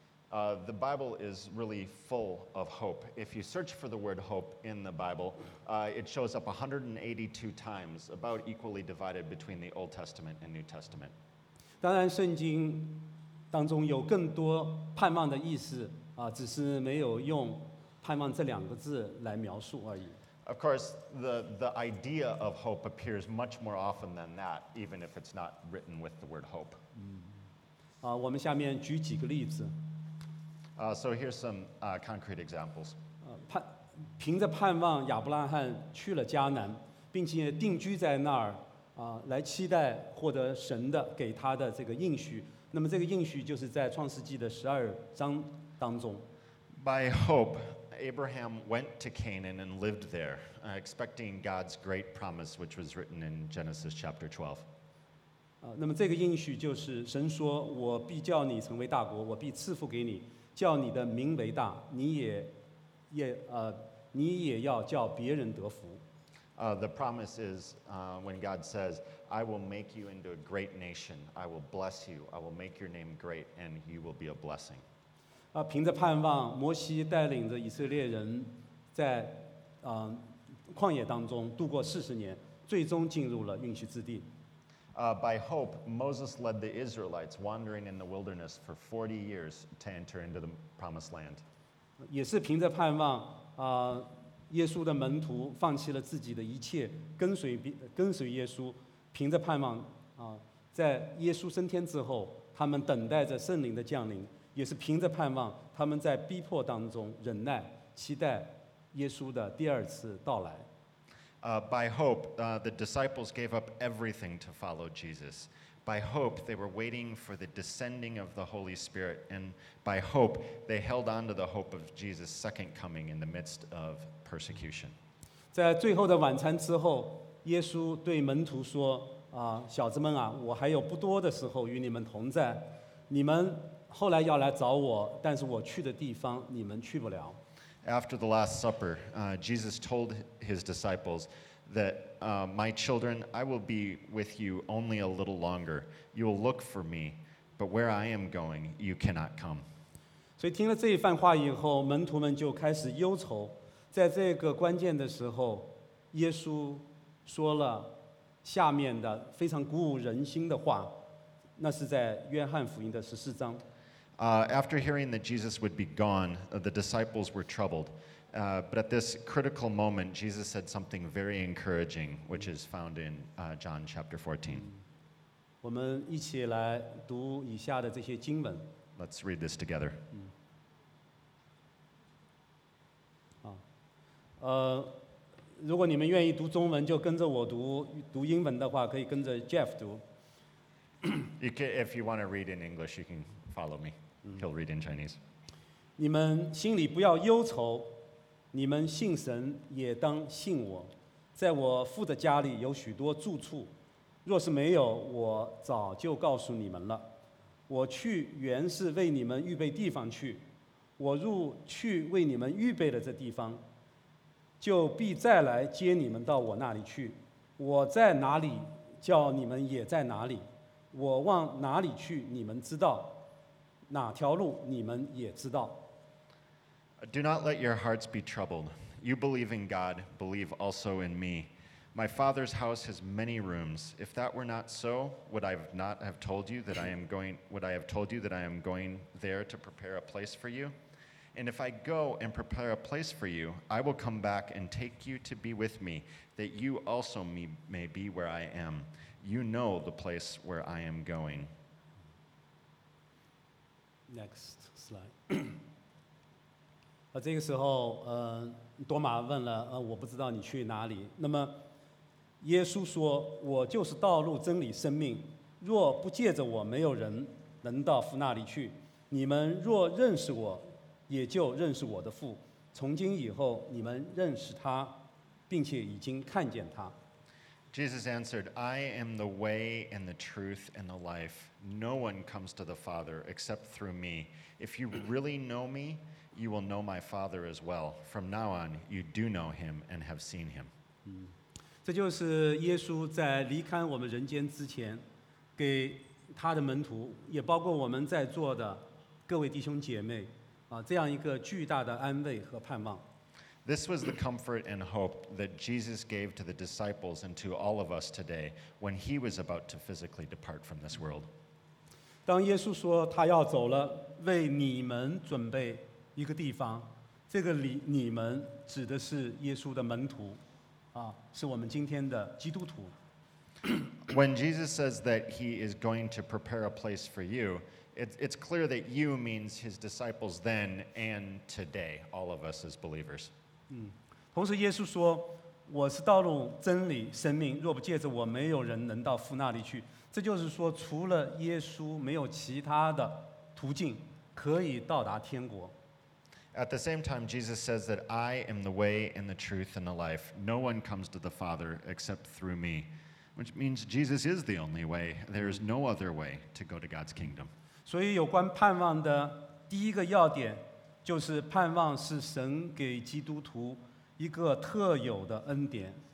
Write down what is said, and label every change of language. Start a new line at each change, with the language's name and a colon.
English: The Bible is really full of hope. If you search for the word hope in the Bible, it shows up 182 times, about equally divided between the Old Testament and New Testament.
Chinese: 当然圣经当中有更多盼望的意思，只是没有用盼望这两个字来描述而已。
English: Of course, the idea of hope appears much more often than that, even if it's not written with the word hope. 我们下面举几个例子。 So here's some concrete examples.
Chinese: 凭着盼望，亚伯拉罕去了迦南，并且定居在那儿，来期待获得神的给他的这个应许。那么这个应许就是在创世纪的十二章当中。
English: By hope, Abraham went to Canaan and lived there, expecting God's great promise, which was written in Genesis chapter 12.
Chinese: 那么这个应许就是神说：“我必叫你成为大国，我必赐福给你。” 叫你的名为大，你也要叫别人得福。
English: The promise is when God says, "I will make you into a great nation. I will bless you. I will make your name great, and you will be a blessing."
Chinese: 凭着盼望，摩西带领着以色列人在旷野当中度过40年，最终进入了应许之地。
English: By hope, Moses led the Israelites wandering in the wilderness for 40 years to enter into the promised land.
Chinese: 也是凭着盼望，耶稣的门徒放弃了自己的一切，跟随耶稣，凭着盼望，在耶稣升天之后，他们等待着圣灵的降临，也是凭着盼望，他们在逼迫当中忍耐，期待耶稣的第二次到来。
English: By hope, the disciples gave up everything to follow Jesus. By hope, they were waiting for the descending of the Holy Spirit. And by hope, they held on to the hope of Jesus' second coming in the midst of persecution.
Chinese: 在最后的晚餐之后，耶稣对门徒说，小子们啊，我还有不多的时候与你们同在。你们后来要来找我，但是我去的地方你们去不了。
English: After the Last Supper, Jesus told his disciples that, my children, I will be with you only a little longer. You will look for me, but where I am going, you cannot come.
Chinese: 所以听了这一番话以后，门徒们就开始忧愁。在这个关键的时候，耶稣说了下面的非常鼓舞人心的话，那是在约翰福音的14章。
English: After hearing that Jesus would be gone, the disciples were troubled. But at this critical moment, Jesus said something very encouraging, which is found in John chapter 14.
Chinese: 我们一起来读以下的这些经文。
English: Let's read this together.
Chinese: 如果你们愿意读中文，就跟着我读；读英文的话，可以跟着 Jeff 读。
English: If you want to read in English, you can follow me. He'll read in Chinese.
Chinese: 你们心里不要忧愁，你们信神也当信我。在我父的家里有许多住处，若是没有，我早就告诉你们了。我去原是为你们预备地方去，我入去为你们预备了这地方，就必再来接你们到我那里去。我在哪里，叫你们也在哪里。我往哪里去，你们知道；哪条路，你们也知道。
English: Do not let your hearts be troubled. You believe in God, believe also in me. My Father's house has many rooms. If that were not so, would I have told you that I am going there to prepare a place for you? And if I go and prepare a place for you, I will come back and take you to be with me, that you also may be where I am. You know the place where I am going. Next slide.
Chinese: 这个时候，多马问了，我不知道你去哪里。那么，耶稣说，我就是道路、真理、生命。若不借着我，没有人能到父那里去。你们若认识我，也就认识我的父。从今以后，你们认识他，并且已经看见他。
English: Jesus answered, I am the way and the truth and the life. No one comes to the Father except through me. If you really know me, you will know my Father as well. From now on, you do know him and have seen him.
Chinese: 这就是耶稣在离开我们人间之前给他的门徒，也包括我们在座的各位弟兄姐妹，这样一个巨大的安慰和盼望。
English: This was the comfort and hope that Jesus gave to the disciples and to all of us today when he was about to physically depart from this world.
Chinese: 当耶稣说他要走了，为你们准备一个地方，这个你们指的是耶稣的门徒，是我们今天的基督徒。
English: When Jesus says that he is going to prepare a place for you, it's clear that you means his disciples then and today, all of us as believers.
Chinese: 同时耶稣说，我是道路、真理、生命，若不借着我，没有人能到父那里去。这就是说，除了耶稣，没有其他的途径可以到达天国。
English: At the same time, Jesus says that I am the way and the truth and the life. No one comes to the Father except through me, which means Jesus is the only way. There is no other way to go to God's kingdom.
Chinese: 所以有关盼望的第一个要点，就是盼望是神给基督徒一个特有的恩典。